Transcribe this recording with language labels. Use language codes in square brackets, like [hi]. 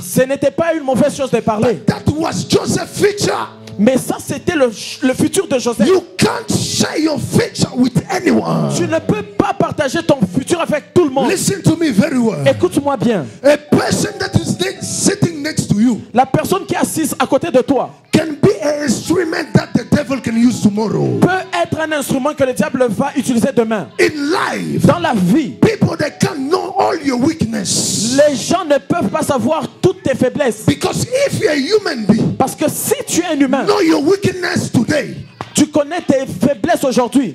[fr] Ce n'était pas une mauvaise chose de parler. [en] But that was Joseph's future. [fr] Mais ça, c'était le futur de Joseph. [en] You can't share your future with anyone. [fr] Tu ne peux pas partager ton futur avec tout le monde. [en] Listen to me very well. [fr] Écoute-moi bien. [en] A person that is sitting next to you. [fr] La personne qui est assise à côté de toi. [en] Can be an instrument that the devil can use tomorrow. [fr] Peut être un instrument que le diable va utiliser demain. [en] In life. [fr] Dans la vie. [en] People they can't know all your weakness. [fr] Les gens ne peuvent pas savoir toutes tes faiblesses. [en] Because if you're a human being. [fr] Parce que si tu es un humain. [en] Know your weakness today. [fr] Tu connais tes faiblesses aujourd'hui.